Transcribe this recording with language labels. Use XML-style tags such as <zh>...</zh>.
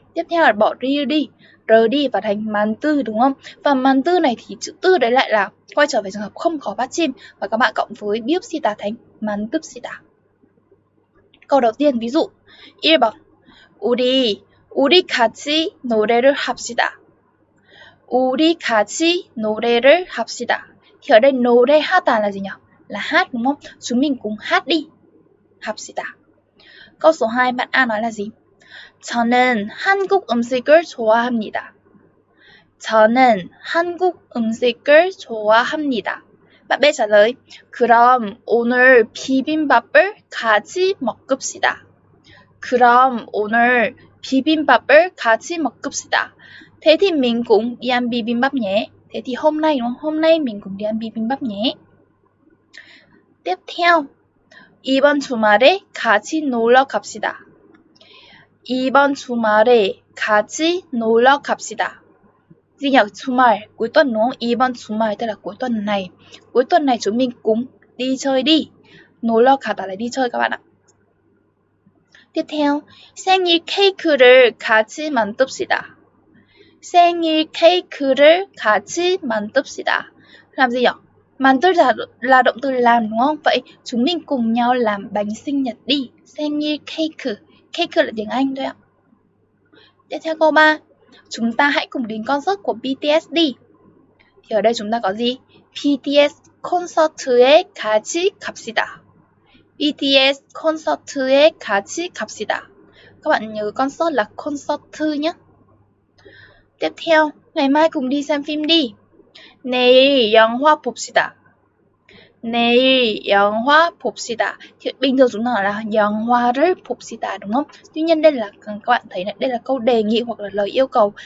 <vi>Tiếp theo là bỏ rir đi, r đi và thành mantu đúng không? Và mantu này thì chữ tư đấy lại là quay trở về trường hợp không có pachim và các bạn cộng với biupsita thành mantupsita. Câu đầu tiên ví dụ</vi> <ko>1번 우리 같이 노래를 합시다. 우리 같이 노래를 합시다.</ko> <vi>Thì ở đây 노래하다 là gì nhỉ? Là hát đúng không? Chúng mình cùng hát đi. 합시다. Câu số 2 bạn A nói là gì?</vi> <ko>저는 한국 음식을 좋아합니다. 저는 한국 음식을 좋아합니다.</ko> <vi>Bạn B trả lời,</vi> <ko>그럼 오늘 비빔밥을 같이 먹읍시다. 그럼 오늘 비빔밥을 같이 먹읍시다.</ko> <vi>Thế thì mình cũng đi ăn bibimbap nhé. Thế thì hôm nay đúng không? Hôm nay mình cũng đi ăn bibimbap nhé. Tiếp theo,</vi> <ko>이번 주말에 같이 놀러 갑시다. 이번 주말에 같이 놀러 갑시다.</ko> <vi>Gì nhỉ? 주말, cuối tuần đúng không? 이번 주말 tức là cuối tuần này. Cuối tuần này chúng mình cùng đi chơi đi. 놀러 가다 là đi chơi các bạn ạ. Tiếp theo,</vi> <ko>생일 케이크를 같이 만듭시다. 생일 케이크를 같이 만듭시다.</ko> <vi>Làm gì nhỉ? 만들 là động từ làm đúng không? Vậy chúng mình cùng nhau làm bánh sinh nhật đi.</vi> <ko>생일 케이크.</ko> <vi>케이크 là tiếng Anh thôi ạ. Tiếp theo câu 3. Chúng ta hãy cùng đến concert của BTS đi. Thì ở đây chúng ta có gì?</vi> <ko>BTS concert에 같이 갑시다. BTS concert에 같이 갑시다.</ko> <vi>Các bạn nhớ concert là concert nhé. Tiếp theo, ngày mai cùng đi xem phim đi.</vi> <ko>내일 영화 봅시다. 내일 영화 봅시다.</ko> <vi>Thì bình thường chúng ta là</vi> <ko>영화를 봅시다</ko> <vi>đúng không? Tuy nhiên đây là các bạn thấy này, đây là câu đề nghị hoặc là lời yêu cầu.</vi>